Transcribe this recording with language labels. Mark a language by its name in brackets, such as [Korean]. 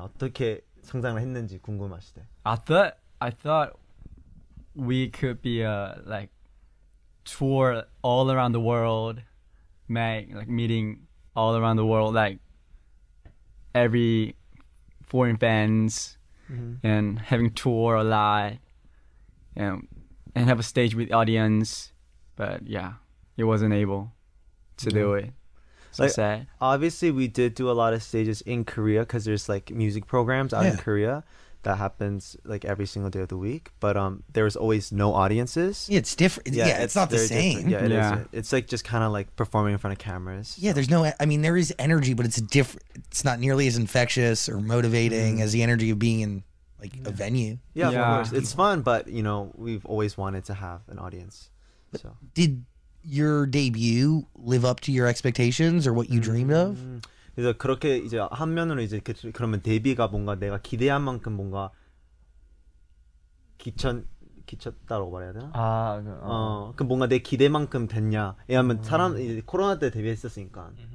[Korean] 어떻게 성장을 했는지 궁금하시대. [English] I thought we could be a like tour all around the world, meeting all around the world, like every foreign fans, and having tour a lot, and have a stage with audience, but yeah. It wasn't able to do it. So like, sad. Obviously, we did do a lot of stages in Korea because there's like music programs out in Korea that happens like every single day of the week. But there was always no audiences. Yeah, it's different. Yeah, it's not the same. Different. Yeah, it is. It's like just kind of like performing in front of cameras. So. Yeah, there's no. I mean, there is energy, but it's different. It's not nearly as infectious or motivating as the energy of being in like a venue. Yeah, of course. It's fun, but you know, we've always wanted to have an audience. So did your debut live up to your expectations or what you dreamed of? [Korean] 그래서 그렇게 이제 한 면으로 이제 그러면 데뷔가 뭔가 내가 기대한 만큼 뭔가 기쳤다라고 말해야 되나? 아, 그 뭔가 내 기대만큼 됐냐? 왜냐하면 사람 이제 코로나 때 데뷔했었으니까.